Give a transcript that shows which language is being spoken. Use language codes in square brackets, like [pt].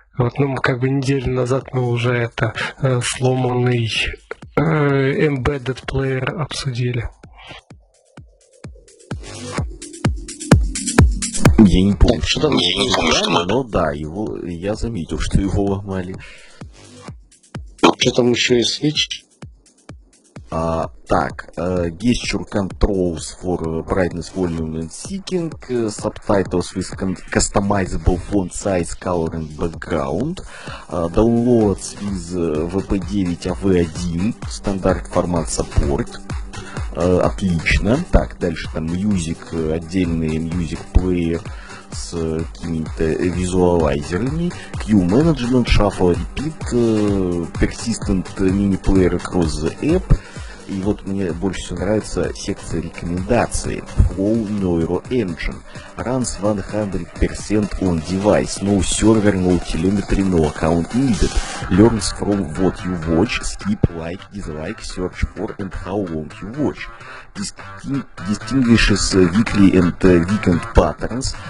[ru] Вот, ну, как бы неделю назад мы уже это сломанный embedded player обсудили. Я не помню, что там сломано, но да, его, я заметил, что его ломали. Что там еще и свеч? [en] Так, gesture controls for brightness, volume and seeking, subtitles with customizable font size, color and background, downloads with VP9 AV1, [ru] стандарт формат [en] support. [ru] Отлично. Так, дальше там [en] music, отдельный music player [ru] с какими-то визуалайзерами, [en] queue management, shuffle repeat, persistent mini player across the app. [ru] И вот мне больше всего нравится секция рекомендаций. [en] Flow Neuro Engine. Runs 100% on device. No server, no telemetry, no account needed. Learns from what you watch. Skip, like, dislike, search for and how long you watch. Distinguishes weekly and weekend patterns.